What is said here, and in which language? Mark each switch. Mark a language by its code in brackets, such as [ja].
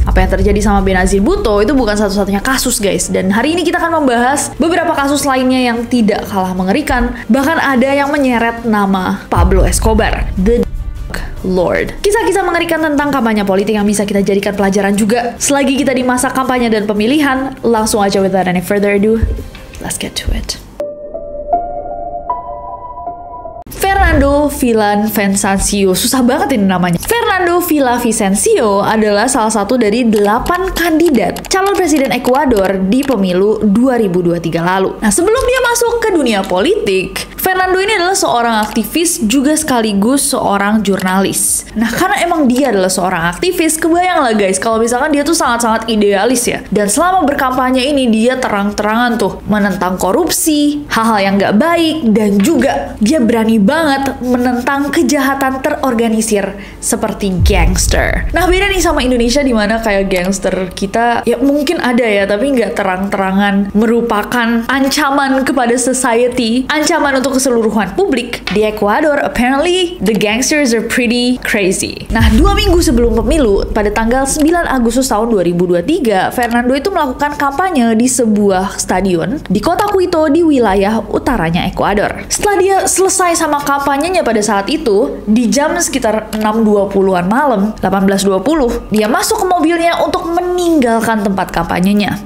[id] Apa yang terjadi sama Benazir Bhutto itu bukan satu-satunya kasus, guys. Dan hari ini kita akan membahas beberapa kasus lainnya yang tidak kalah mengerikan. Bahkan ada yang menyeret nama Pablo Escobar, The Lord. Kisah-kisah mengerikan tentang kampanye politik yang bisa kita jadikan pelajaran juga selagi kita di masa kampanye dan pemilihan. Langsung aja, [en] without any further ado, let's get to it. [id] Fernando Villan Vicencio. Susah banget ini namanya. Fernando Villa Vicencio adalah salah satu dari 8 kandidat calon presiden Ekuador di pemilu 2023 lalu. Nah, sebelum dia masuk ke dunia politik, Fernando ini adalah seorang aktivis juga sekaligus seorang jurnalis. Nah, karena emang dia adalah seorang aktivis, kebayang lah guys, kalau misalkan dia tuh sangat-sangat idealis ya. Dan selama berkampanye ini, dia terang-terangan tuh menentang korupsi, hal-hal yang gak baik, dan juga dia berani banget menentang kejahatan terorganisir seperti gangster. Nah, beda nih sama Indonesia di mana kayak gangster kita ya mungkin ada ya, tapi nggak terang-terangan merupakan ancaman kepada society, ancaman untuk keseluruhan publik. Di Ekuador, [en] apparently the gangsters are pretty crazy. [id] Nah, 2 minggu sebelum pemilu, pada tanggal 9 Agustus tahun 2023, Fernando itu melakukan kampanye di sebuah stadion di kota Quito di wilayah utaranya Ekuador. Setelah dia selesai sama kampanyenya pada saat itu, di jam sekitar 6.20-an malam, 18.20, dia masuk ke mobilnya untuk meninggalkan tempat kampanyenya.